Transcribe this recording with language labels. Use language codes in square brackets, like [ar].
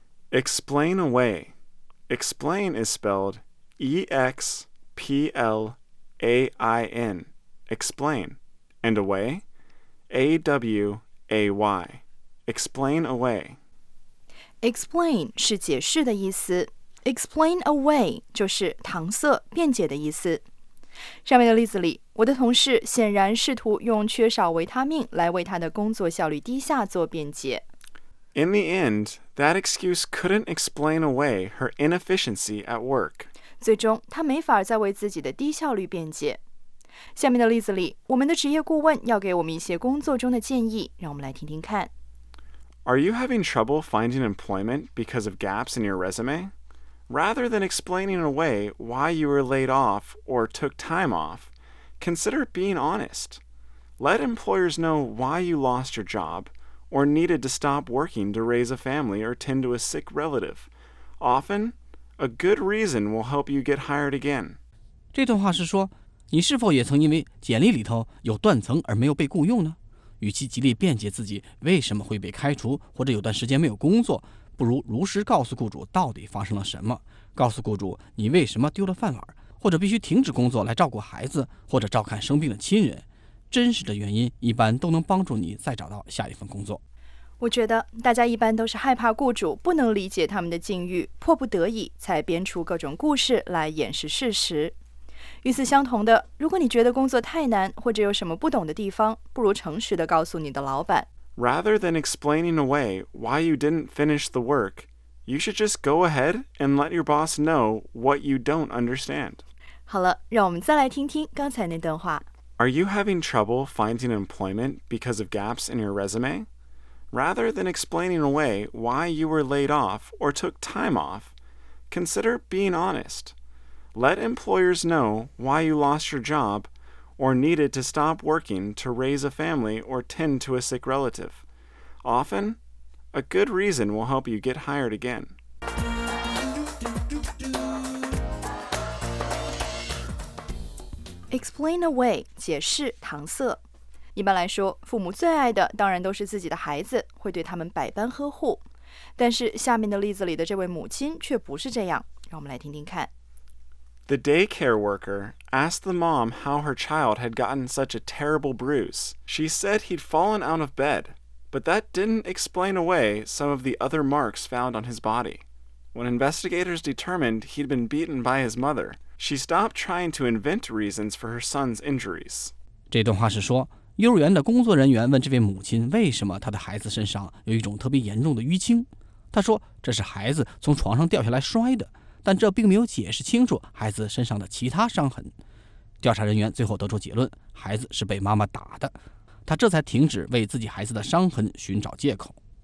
[en] explain awayExplain is spelled E-X-P-L-A-I-N, explain, and away, A-W-A-Y, explain away. [zh] Explain 是解释的意思， explain away 就是搪塞、辩解的意思。上面的例子里，我的同事显然试图用缺少维他命来为他的工作效率低下做辩解。 [en] In the end, that excuse couldn't explain away her inefficiency at work. [zh] 最终，她没法再为自己的低效率辩解。下面的例子里，我们的职业顾问要给我们一些工作中的建议，让我们来听听看。 [en] Are you having trouble finding employment because of gaps in your resume? Rather than explaining away why you were laid off or took time off, consider being honest. Let employers know why you lost your job,or needed to stop working to raise a family or tend to a sick relative. Often, a good reason will help you get hired again. [zh] 这段话是说，你是否也曾因为简历里头有断层而没有被雇用呢？与其极力辩解自己为什么会被开除或者有段时间没有工作，不如如实告诉雇主到底发生了什么，告诉雇主你为什么丢了饭碗，或者必须停止工作来照顾孩子，或者照看生病的亲人。真实的原因一般都能帮助你再找到下一份工作。我觉得大家一般都是害怕雇主不能理解他们的境遇，迫不得已才编出各种故事来掩饰事实。与此相同的，如果你觉得工作太难或者有什么不懂的地方，不如诚实地告诉你的老板。 [en] Rather than explaining away why you didn't finish the work, you should just go ahead and let your boss know what you don't understand. [zh] 好了，让我们再来听听刚才那段话。 [en] Are you having trouble finding employment because of gaps in your resume? Rather than explaining away why you were laid off or took time off, consider being honest. Let employers know why you lost your job or needed to stop working to raise a family or tend to a sick relative. Often, a good reason will help you get hired again. Explain away, [zh] 解释、搪塞。一般来说，父母最爱的当然都是自己的孩子，会对他们百般呵护。但是下面的例子里的这位母亲却不是这样，让我们来听听看。 [en] The daycare worker asked the mom how her child had gotten such a terrible bruise. She said he'd fallen out of bed, but that didn't explain away some of the other marks found on his body. When investigators determined he'd been beaten by his mother,She stopped trying to invent reasons for her son's injuries. [zh] 这段话是说，幼儿园的工作人员问这位母亲为什么她的孩子身上有一种特别严重的淤青。她说，这是孩子从床上掉下来摔的，但这并没有解释清楚孩子身上的其他伤痕。调查人员最后得出结论，孩子是被妈妈打的。她这才停止为自己孩子的伤痕寻找借口。